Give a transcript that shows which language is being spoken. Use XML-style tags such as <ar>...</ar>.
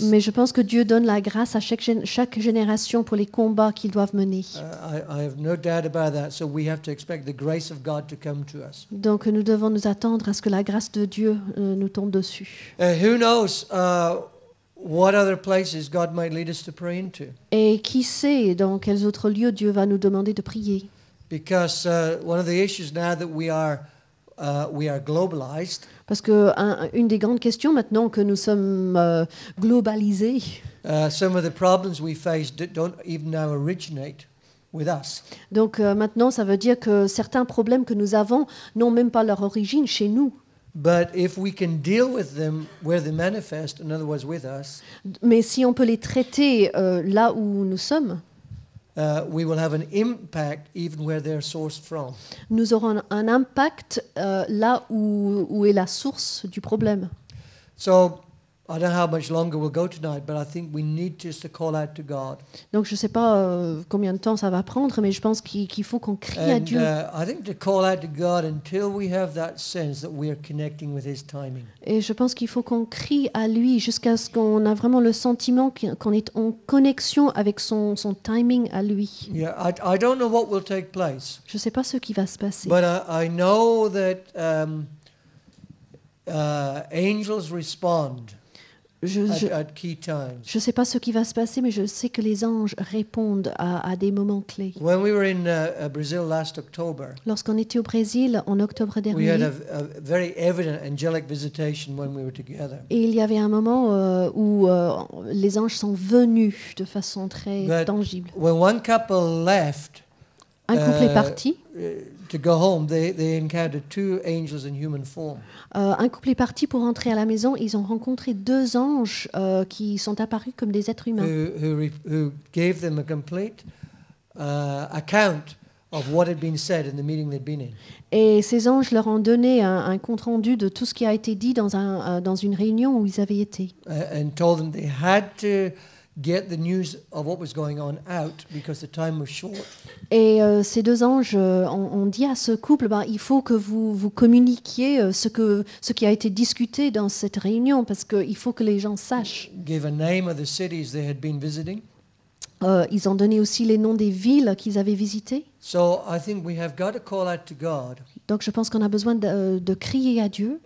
<fr>Mais je pense que Dieu donne la grâce à chaque génération pour les combats qu'ils doivent mener.</fr> <en>I have no doubt about that. So we have to expect the grace of God to come to us.</en> <fr>Donc nous devons nous attendre à ce que la grâce de Dieu nous tombe dessus.</fr> <en>Who knows? What other places God might lead us to pray into?</en> <fr>Et qui sait dans quels autres lieux Dieu va nous demander de prier?</fr> <en>Because one of the issues now that we are globalized.</en> <fr>Parce que une des grandes questions maintenant que nous sommes globalisés.</fr> <en>Some of the problems we face don't even now originate with us.</en> <fr>Donc maintenant, ça veut dire que certains problèmes que nous avons n'ont même pas leur origine chez nous.</fr> <en>But if we can deal with them where they manifest, in other words, with us,</en> <fr>mais si on peut les traiter là où nous sommes,</fr> <en>we will have an impact even where they're sourced from.</en> <fr>Nous aurons un impact là où est la source du problème.</fr> <en>So, I don't know how much longer we'll go tonight, but I think we need just to call out to God.</en> <fr>Donc je sais pas combien de temps ça va prendre, mais je pense qu'il faut qu'on crie</fr> <en>and,</en> <fr>à Dieu.</fr> <en>I think to call out to God until we have that sense that we are connecting with His timing.</en> <fr>Et je pense qu'il faut qu'on crie à lui jusqu'à ce qu'on a vraiment le sentiment qu'on est en connexion avec son timing à lui.</fr> <en>Yeah, I don't know what will take place.</en> <fr>Je sais pas ce qui va se passer.</fr> <en>But I know that angels respond.</en> <fr>Je ne sais pas ce qui va se passer, mais je sais que les anges répondent à des moments clés.</fr> <en>When we were in Brazil last October,</en> <fr>lorsqu'on était au Brésil en octobre dernier,</fr> <en>we had a very evident angelic visitation when we were together.</en> <fr>Et il y avait un moment où les anges sont venus de façon très</fr> <en>But</en> <fr>tangible.</fr> <en>When one couple left,</en> <fr>un couple est parti.</fr> <en>To go home, they encountered two angels in human form.</en> <fr>Un couple est parti pour rentrer à la maison. Ils ont rencontré deux anges qui sont apparus comme des êtres humains.</fr> <en>Who gave them a complete account of what had been said in the meeting they'd been in.</en> <fr>Et ces anges leur ont donné un compte rendu de tout ce qui a été dit dans une réunion où ils avaient été.</fr> <en>And told them they had to get the news of what was going on out because the time was short.</en> <fr>Et ces deux anges ont dit à ce couple, ben, il faut que vous communiquiez ce qui a été discuté dans cette réunion parce qu'il faut que les gens sachent.</fr> <en>Gave a name of the cities they had been visiting.</en> <fr>Ils ont donné aussi les noms des villes qu'ils avaient visitées.</fr> <en>So I think we have got to call out to God.</en> <fr>Donc je pense qu'on a besoin de crier à Dieu.</fr>